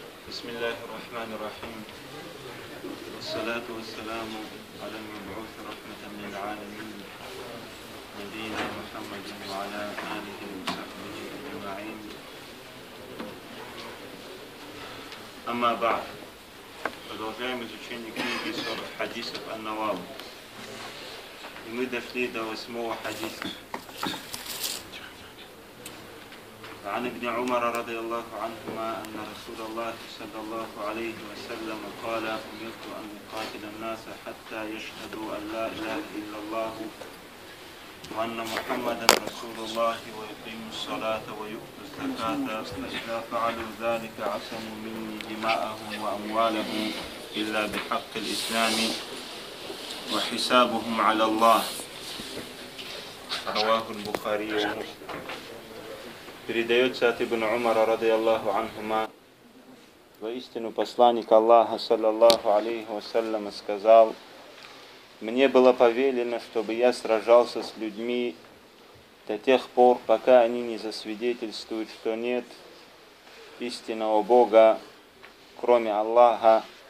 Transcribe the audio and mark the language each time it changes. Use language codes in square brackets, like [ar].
[ar] بسم الله الرحمن الرحيم، والصلاة والسلام على المبعوث رحمة للعالمين نبينا محمد وعلى آله وصحبه أجمعين. أما بعد، [ru] продолжаем изучение книги 40 хадисов ан-Навави. И мы дошли до 8-го хадиса. [ar] عن ابن عمر رضي الله عنهما أن رسول الله صلى الله عليه وسلم قال: أمرت أن أقاتل الناس حتى يشهدوا أن لا إله إلا الله وأن محمدا رسول الله ويقيموا الصلاة ويؤتوا الزكاة، فإذا فعلوا ذلك عصموا مني دماءهم وأموالهم إلا بحق الإسلام وحسابهم على الله. رواه البخاري ومسلم. [ru] Передается от Ибн Умара, ради Аллаху анхума: «Воистину посланник Аллаха, саллаллаху алейхи вассаляма, сказал: мне было повелено, чтобы я сражался с людьми до тех пор, пока они не засвидетельствуют, что нет истинного Бога, кроме Аллаха,